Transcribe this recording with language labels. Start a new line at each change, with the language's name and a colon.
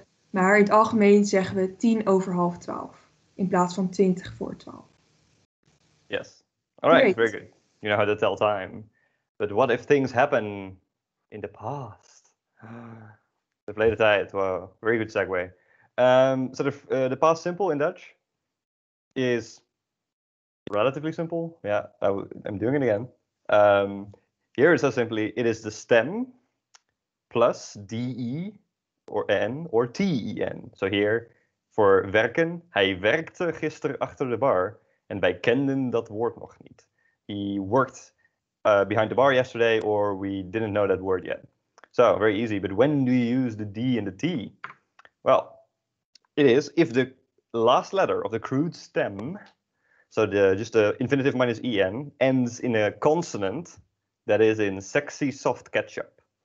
Dutch: Maar in het algemeen zeggen we 12:10 in plaats van 12:20.
English: Yes. All right, great. Very good. You know how to tell time. But what if things happen in the past?
Dutch: De verleden tijd.
English: Wow, very good segue. So the past simple in Dutch is relatively simple. Yeah, I'm doing it again. Here it says simply, it is the stem plus D-E or N or T-E-N. So here, voor werken.
Dutch: Hij werkte gisteren achter de bar en wij kenden dat woord nog niet.
English: He worked behind the bar yesterday, or we didn't know that word yet. So, very easy, but when do you use the D and the T? Well, it is if the last letter of the crude stem, so the just the infinitive minus en, ends in a consonant that is in sexy soft ketchup.